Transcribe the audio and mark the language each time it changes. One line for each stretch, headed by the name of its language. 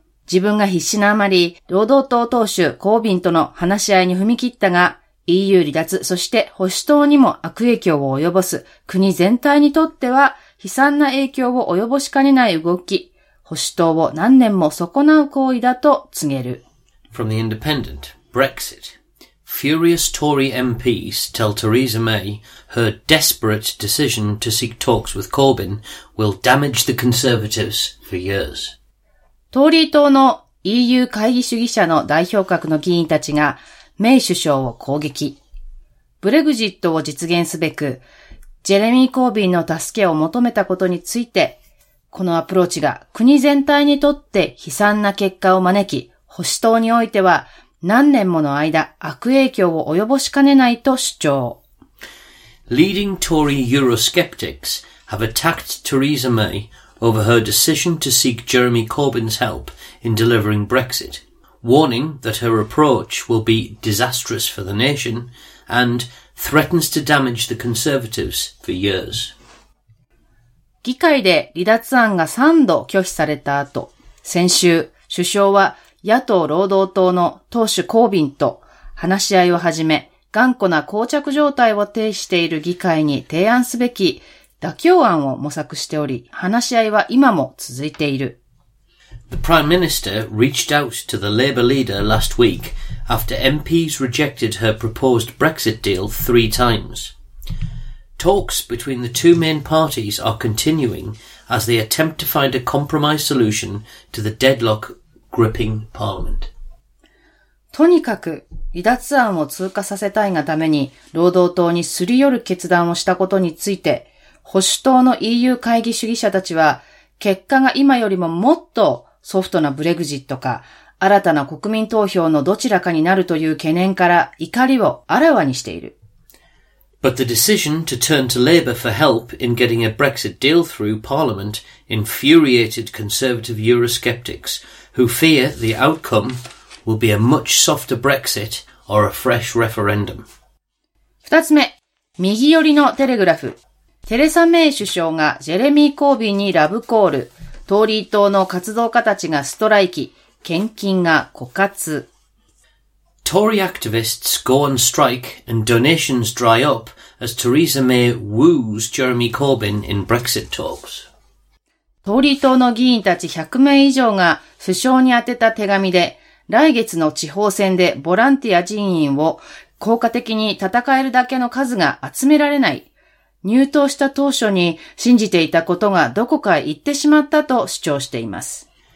Japanese: 自分が必死なあまり、労働党党首コービンとの話し合いに踏み切ったが、EU 離脱、そして保守党にも悪影響を及ぼす、国全体にとっては悲惨な影響を及ぼしかねない動き、保守党を何年も損なう行為だと告げる。
English: From the Independent, Brexit. Furious Tory MPs tell Theresa May her desperate decision to seek talks with Corbyn will damage the Conservatives for years.
Japanese: トーリー党の EU 会議主義者の代表格の議員たちが、メイ首相を攻撃。ブレグジットを実現すべく、ジェレミー・コービンの助けを求めたことについて、このアプローチが国全体にとって悲惨な結果を招き、保守党においては何年もの間悪影響を及ぼしかねないと主張。
English: Leading Tory Eurosceptics have attacked Theresa May over her decision to seek Jeremy Corbyn's help in delivering Brexit. Warning that her approach will be disastrous for the nation and threatens to damage the Conservatives for years.
Japanese: 議会で離脱案が3度拒否された後、先週、首相は野党労働党の党首コービンと話し合いを始め、頑固な膠着状態を呈している議会に提案すべき妥協案を模索しており、話し合いは今も続いている。
English: The Prime Minister reached out to the Labour leader last week after MPs rejected her proposed Brexit deal 3 times. Talks between the 2 main parties are continuing as they attempt to find a compromise solution to the deadlock gripping Parliament.
Japanese: とにかく離脱案を通過させたいがために労働党にすり寄る決断をしたことについて、保守党の EU 会議主義者たちは結果が今よりももっとソフトなブレグジットか、新たな国民投票のどちらかになるという懸念から怒りをあらわにしている。
English: But the decision to turn to Labour for help in getting a Brexit deal through Parliament infuriated conservative Eurosceptics, who fear the outcome will be a much softer Brexit or a fresh referendum.
Japanese: 二つ目、右寄りのテレグラフ。テレサ・メイ首相がジェレミー・コービンにラブコール。トーリー党の活動家たちがストライキ、献金が枯渇。
English: Tory activists go on strike and donations dry up as Theresa May woos Jeremy Corbyn in Brexit talks.
Japanese: トーリー党の議員たち100名以上が首相に宛てた手紙で、来月の地方選でボランティア人員を効果的に戦えるだけの数が集められない。入党した当初に信じていたことがどこか行ってしまったと主張しています。